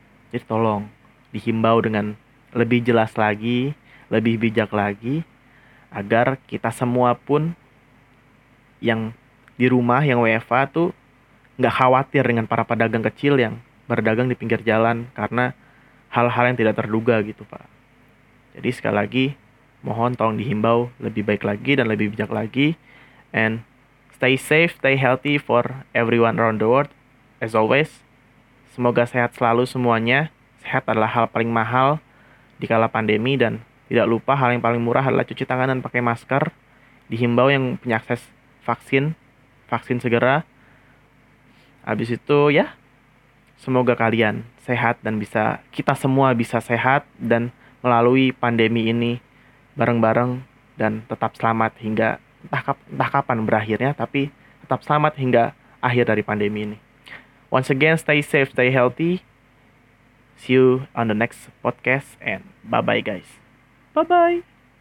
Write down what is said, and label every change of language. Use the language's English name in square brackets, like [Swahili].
[Indonesian] Jadi tolong dihimbau dengan lebih jelas lagi, lebih bijak lagi, agar kita semua pun yang di rumah, yang WFA tuh gak khawatir dengan para pedagang kecil yang berdagang di pinggir jalan karena hal-hal yang tidak terduga gitu, Pak. Jadi sekali lagi, mohon tolong dihimbau lebih baik lagi dan lebih bijak lagi. [English] And stay safe, stay healthy for everyone around the world. As always, [Indonesian] semoga sehat selalu semuanya. Sehat adalah hal paling mahal di kala pandemi, dan tidak lupa hal yang paling murah adalah cuci tangan dan pakai masker. Dihimbau yang punya akses vaksin segera. Habis itu ya, semoga kalian sehat dan bisa, kita semua bisa sehat dan melalui pandemi ini bareng-bareng dan tetap selamat hingga entah kapan berakhirnya, tapi tetap selamat hingga akhir dari pandemi ini. [English] Once again, stay safe, stay healthy. See you on the next podcast, and bye-bye guys. Bye-bye.